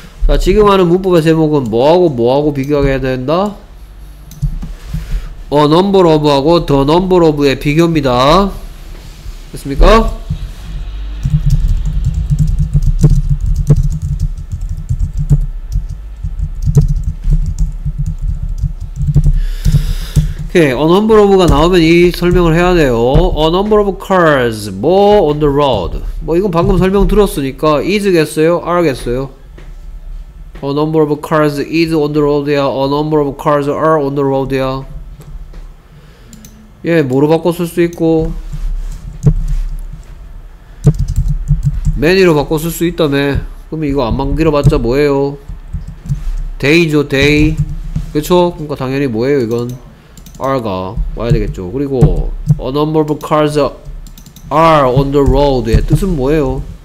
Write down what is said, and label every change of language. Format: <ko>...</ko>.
<ko>자, 지금 하는 문법의 제목은 뭐하고 뭐하고 비교해야 된다? a number of하고 the number of의 비교입니다. 됐습니까? 오케이. A number of가 나오면 이 설명을 해야 돼요.</ko> <en>A number of cars. 뭐 on the road.</en> <ko>뭐 이건 방금 설명 들었으니까 is겠어요? are겠어요?</ko> <en>A number of cars is on the road야. A number of cars are on the road야.</en> <ko>예, 뭐로 바꿨을 수 있고 many로 바꿨을 수 있다며. 그럼 이거 안 만들어봤자 뭐예요? day죠, day. 그쵸? 그러니까 당연히 뭐예요 이건? are가 와야 되겠죠. 그리고</ko> <en>a number of cars are on the road</en> <ko>의 뜻은 뭐예요?</ko>